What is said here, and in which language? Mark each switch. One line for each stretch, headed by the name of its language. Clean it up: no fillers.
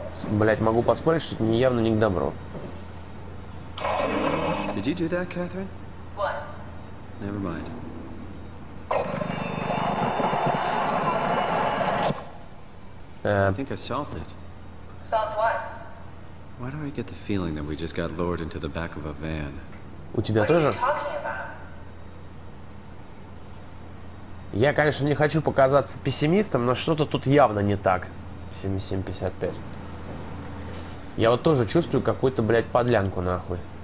Russian: Блять, могу поспорить, что это не явно не к добру.
English: Did you do that, Catherine? What? Never mind. I think I solved it. Solved what? Why do I get the feeling that we just got lured into the back of a van?
Russian: У тебя
English: what
Russian: тоже?
English: Are you talking about?
Russian: Я, конечно, не хочу показаться пессимистом, но что-то тут явно не так.
English: 7755.
Russian: Я вот тоже чувствую какую-то, блядь, подлянку, нахуй.